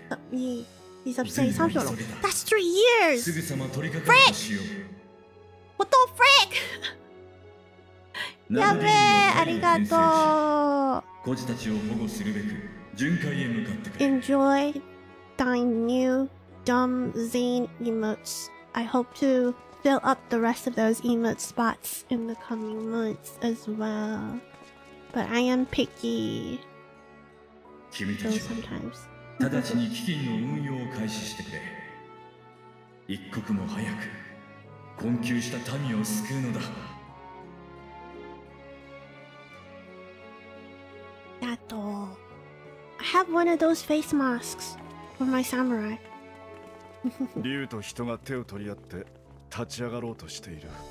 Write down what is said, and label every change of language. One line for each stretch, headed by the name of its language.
English: He subscribed 3 months. That's 3 years! Frick! What the frick?
Japanese: やべえ、ありがとう。孤児たちを保護するべく巡回へ向かってくれ。
English: Enjoy thy new dumb Zane emotes. I hope to fill up the rest of those emote spots in the coming months as well. But I am picky.
Japanese: 君たちは直ちに基金の運用を開始してくれ。一刻も早く困窮した民を救うのだ。
English: I have one of those face masks for my samurai.
Japanese: Ryu と人が手を取り合って立ち上がろうとしている。